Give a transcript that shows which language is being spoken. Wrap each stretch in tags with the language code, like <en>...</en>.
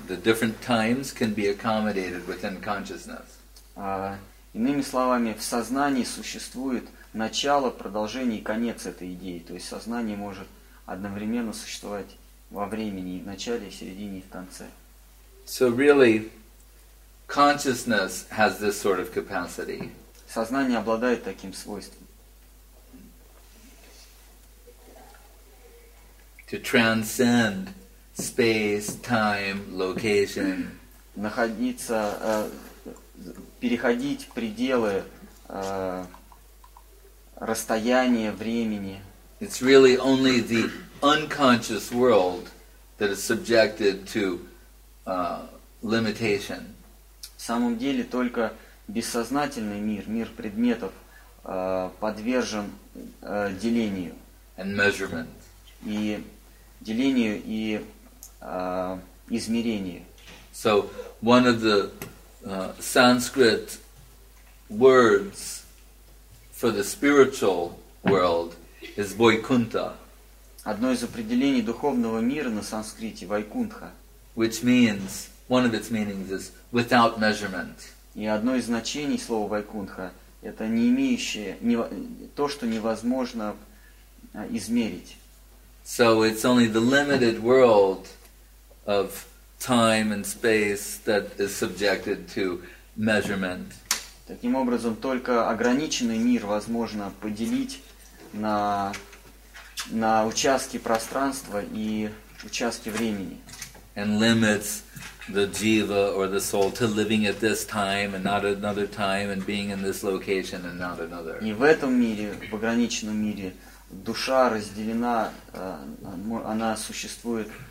<en>The different times can be accommodated within consciousness.</en> <ru>Иными словами, в сознании существует начало, продолжение и конец этой идеи. То есть сознание может одновременно существовать во времени, в начале, в середине и в конце.</ru> <en>So really, consciousness has this sort of capacity.</en> <ru>Сознание обладает таким свойством.</ru> <en>To transcend space, time, location.</en> <ru>Находиться, переходить пределы расстояния, времени.</ru> <en>It's really only the unconscious world that is subjected to limitation.</en> <ru>В самом деле только бессознательный мир, мир предметов, подвержен делению.</ru> <en>And measurement.</en> <ru>И делению и измерению.</ru> <en>So one of the Sanskrit words for the spiritual world is Vaikuntha.</en> <ru>Одно из определений духовного мира на санскрите Вайкунтха.</ru> <en>Which means, one of its meanings is without measurement.</en> <ru>И одно из значений слова Вайкунтха это не имеющее, то, что невозможно измерить.</ru> <en>So it's only the limited world of time and space that is subjected to measurement.</en> <ru>Таким образом, только ограниченный мир возможно поделить на участки пространства и участки времени.</ru> <en>And limits the jiva or the soul to living at this time and not another time and being in this location and not another.</en> <ru>И в этом мире, в ограниченном мире, душа разделена, она существует</ru>